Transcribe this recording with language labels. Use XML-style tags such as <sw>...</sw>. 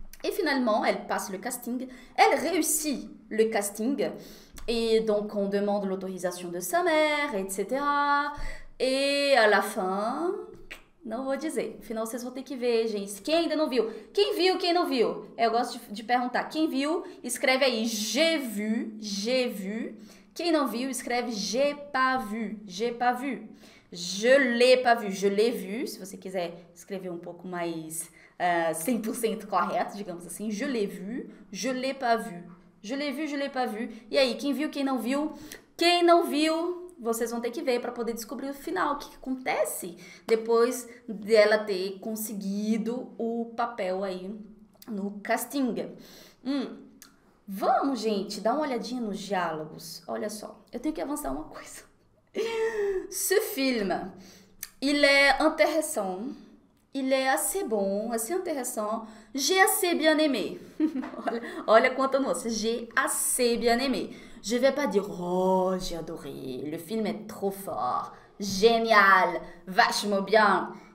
<fr>Et finalement, elle passe le casting, elle réussit le casting et donc on demande l'autorisation de sa mère, etc. Et à la fin,</fr> <pt>não vou dizer. Afinal, vocês vão ter que ver, gente. Quem ainda não viu? Quem viu, quem não viu? Eu gosto de perguntar. Quem viu, escreve aí.</pt> <fr>J'ai vu. J'ai vu.</fr> <pt>Quem não viu, escreve.</pt> <fr>J'ai pas vu. J'ai pas vu. Je l'ai pas vu. Je l'ai vu.</fr> <pt>Se você quiser escrever um pouco mais 100% correto, digamos assim.</pt> <fr>Je l'ai vu. Je l'ai pas vu. Je l'ai vu. Je l'ai pas vu.</fr> <pt>E aí, quem viu, quem não viu? Quem não viu, vocês vão ter que ver para poder descobrir o final, o que acontece depois dela ter conseguido o papel aí no casting. Vamos, gente, dar uma olhadinha nos diálogos. Olha só, eu tenho que avançar uma coisa.</pt> <fr>Ce film, il est intéressant, il est assez bon, assez intéressant. J'ai assez bien aimé.</fr> <pt>Olha, olha quanta nuance.</pt> <fr>J'ai assez bien aimé. Je vais pas dire, oh, j'ai adoré, le film est trop fort, génial, vachement bien.</fr>